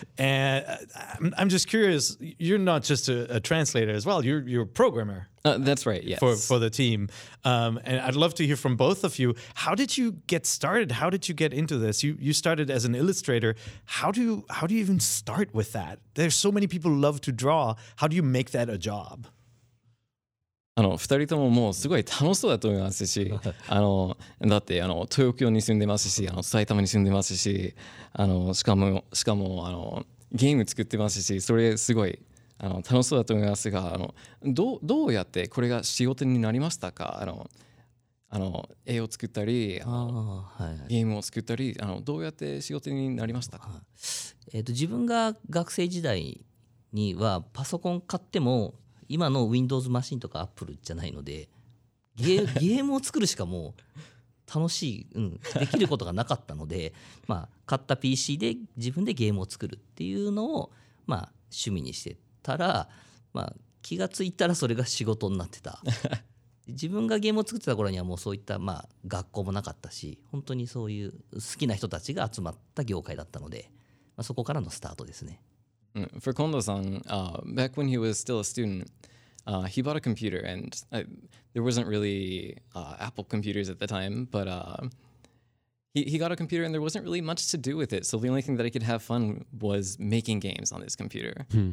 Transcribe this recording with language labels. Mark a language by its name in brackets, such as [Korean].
[English] And I'm just curious, you're not just a translator as well, you're a programmer. That's right, yes. For the team. And I'd love to hear from both of you. How did you get started? How did you get into this? You started as an illustrator. How do you even start with that? There's so many people who love to draw. How do you make that a job? [Japanese] あの2人とももうすごい楽しそうだと思いますし、あのだってあの東京に住んでますし、あの埼玉に住んでますし、あのしかもあのゲーム作ってますし、それすごいあの楽しそうだと思いますが、あのどうやってこれが仕事になりましたか？あの絵を作ったり、あの、はい、ゲームを作ったり、あのどうやって仕事になりましたか？自分が学生時代にはパソコン買っても今の Windows マシンとか Apple じゃないので ゲームを作るしかもう楽しい、うん、できることがなかったので、まあ、買った PC で自分でゲームを作るっていうのを、まあ、趣味にしてたら、まあ、気がついたらそれが仕事になってた。自分がゲームを作ってた頃にはもうそういった、まあ、学校もなかったし、本当にそういう好きな人たちが集まった業界だったので、まあ、そこからのスタートですね。 [English] For Kondo-san, back when he was still a student, he bought a computer, and there wasn't really Apple computers at the time, but he got a computer and there wasn't really much to do with it, so the only thing that he could have fun was making games on this computer.